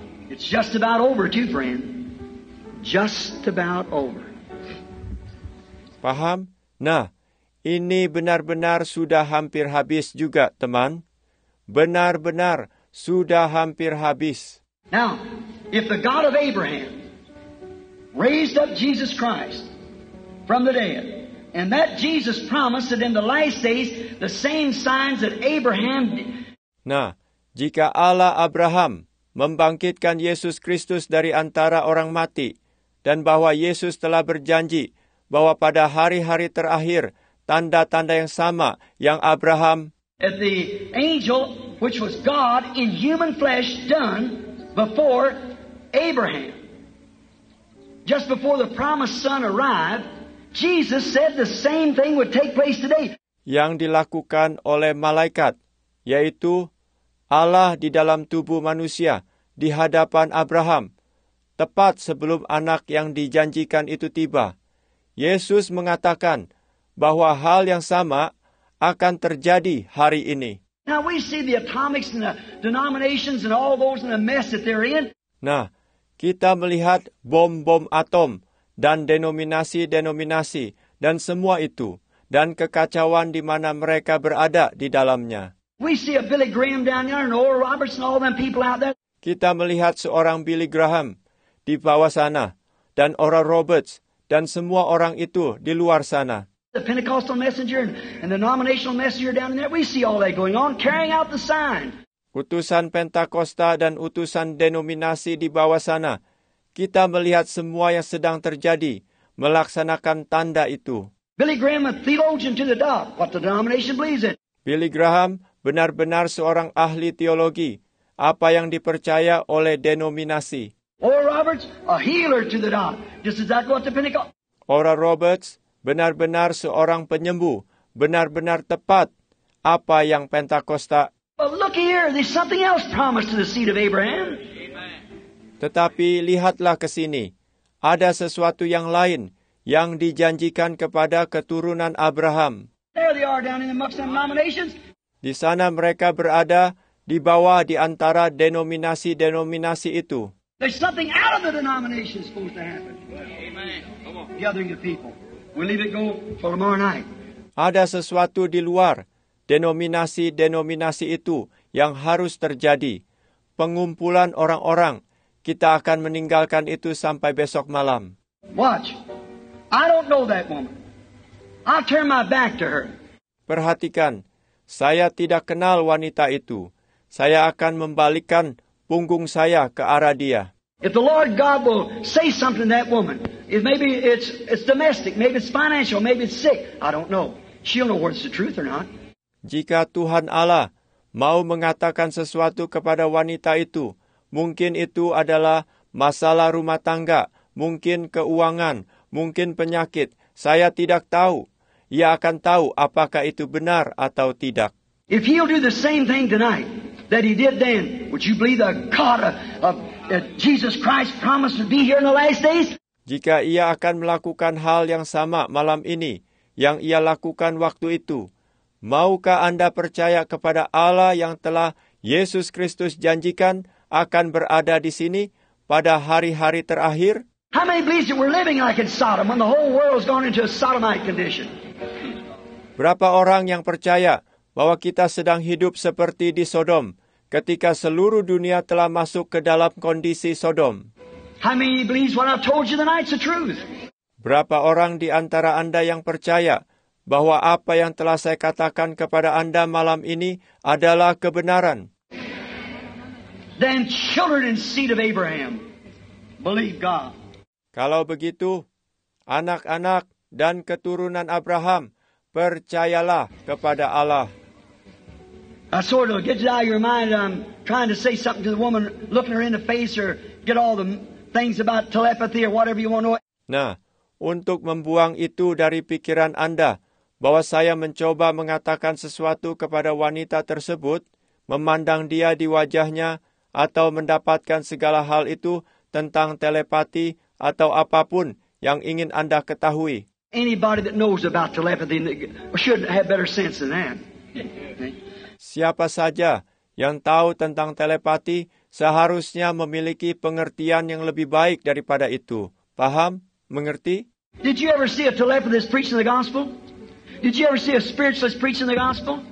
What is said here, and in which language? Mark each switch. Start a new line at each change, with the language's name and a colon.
English: It's just about over too, friend. Just about over.
Indonesian: Paham? Nah, ini benar-benar sudah hampir habis juga, teman. Benar-benar sudah hampir habis.
English: Now, if the God of Abraham raised up Jesus Christ from the dead, and that Jesus promised that in the last days the same signs that Abraham did.
Indonesian: Nah, jika Allah Abraham membangkitkan Yesus Kristus dari antara orang mati, dan bahwa Yesus telah berjanji bahwa pada hari-hari terakhir, tanda-tanda yang sama yang Abraham,
English: as the angel which was God in human flesh done before Abraham, just before the promised son arrived, Jesus said the same thing would take place today.
Indonesian: Yang dilakukan oleh malaikat, yaitu Allah di dalam tubuh manusia, di hadapan Abraham, tepat sebelum anak yang dijanjikan itu tiba. Yesus mengatakan bahwa hal yang sama akan terjadi hari ini.
English: Now we see the atomics and the denominations and all those in the mess that they're in.
Indonesian: Nah, kita melihat bom-bom atom dan denominasi-denominasi dan semua itu dan kekacauan di mana mereka berada di dalamnya.
English: We see a Billy Graham down there and Oral Roberts and all them people out there.
Indonesian: Kita melihat seorang Billy Graham di bawah sana dan Oral Roberts dan semua orang itu di luar sana.
English: The Pentecostal messenger and the denominational messenger down there. We see all that going on, carrying out the sign.
Indonesian: Utusan Pentakosta dan utusan denominasi di bawah sana. Kita melihat semua yang sedang terjadi, melaksanakan tanda itu.
English: Billy Graham, a theologian to the dot, what the denomination believes in.
Indonesian: Billy Graham benar-benar seorang ahli teologi, apa yang dipercaya oleh denominasi.
English: Oral Roberts, a healer to the dot, just exactly what the Pentecost.
Indonesian: Oral Roberts benar-benar seorang penyembuh, benar-benar tepat apa yang Pentakosta.
English: But look here, there's something else promised to the seed of Abraham.
Indonesian: Tetapi lihatlah ke sini, ada sesuatu yang lain yang dijanjikan kepada keturunan Abraham.
English: There they are down in the Muslim denominations.
Indonesian: Di sana mereka berada di bawah di antara denominasi-denominasi itu.
English: There's something out of the denominations supposed to happen. Amen. Gathering the people. We leave it go for tomorrow night.
Indonesian: Ada sesuatu di luar denominasi-denominasi itu yang harus terjadi. Pengumpulan orang-orang. Kita akan meninggalkan itu sampai besok malam.
English: Watch. I don't know that woman. I'll turn my back to her.
Indonesian: Perhatikan. Saya tidak kenal wanita itu. Saya akan membalikkan punggung saya ke arah dia.
English: If the Lord God will say something to that woman, if maybe it's domestic, maybe it's financial, maybe it's sick, I don't know. She'll know whether it's the truth or not.
Indonesian: Jika Tuhan Allah mau mengatakan sesuatu kepada wanita itu, mungkin itu adalah masalah rumah tangga, mungkin keuangan, mungkin penyakit. Saya tidak tahu. Ia akan tahu apakah itu benar atau tidak.
English: If he'll do the same thing tonight that he did then, would you believe the God of Jesus Christ promised to be here in the last days?
Indonesian: Jika ia akan melakukan hal yang sama malam ini yang ia lakukan waktu itu, maukah Anda percaya kepada Allah yang telah Yesus Kristus janjikan akan berada di sini pada hari-hari terakhir?
English: How many believe that we're living like in Sodom when the whole world's gone into a sodomite condition?
Indonesian: Berapa orang yang percaya bahwa kita sedang hidup seperti di Sodom ketika seluruh dunia telah masuk ke dalam kondisi Sodom?
English: How many believe what I've told you tonight's the truth?
Indonesian: Berapa orang di antara Anda yang percaya bahwa apa yang telah saya katakan kepada Anda malam ini adalah kebenaran?
English: Then children and seed of Abraham, believe God.
Indonesian: Kalau begitu, anak-anak dan keturunan Abraham, percayalah kepada Allah.
English: I sort of get it out of your mind. I'm trying to say something to the woman, looking her in the face, or get all the things about telepathy or whatever you want to know.
Indonesian: Nah, untuk membuang itu dari pikiran Anda, bahwa saya mencoba mengatakan sesuatu kepada wanita tersebut, memandang dia di wajahnya, atau mendapatkan segala hal itu tentang telepati atau apapun yang ingin Anda ketahui.
English: Anybody that knows about telepathy should have better sense than that.
Indonesian: Siapa saja yang tahu tentang telepati seharusnya memiliki pengertian yang lebih baik daripada itu. Paham? Mengerti?
English: Did you ever see a telepathist preaching the gospel? Did you ever see a spiritualist preaching the gospel?